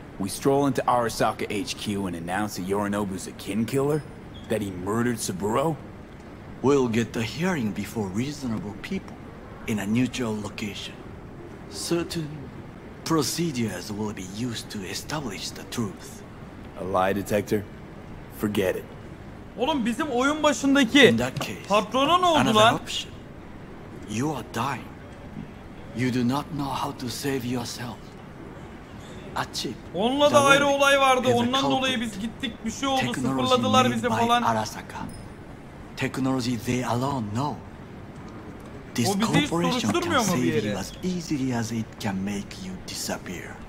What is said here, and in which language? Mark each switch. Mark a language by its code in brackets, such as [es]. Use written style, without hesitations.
[en] We stroll into Arasaka HQ and announce that Yorinobu's a kin killer? That he murdered Saburo? We'll get the hearing before reasonable people in a neutral location. Certain procedures will be used to establish the truth. A lie detector? Forget it. [tr] Oğlum bizim oyun başındaki patrona ne oldu lan? [en] Option. You are dying. You do not know how to save yourself. A chip. [tr] Onunla da ayrı olay vardı. Ondan dolayı biz gittik. Bir şey oldu. Sıfırladılar bizi falan. [en] Arasaka. Technology they alone know. This corporation can save you as easily as it can make you disappear.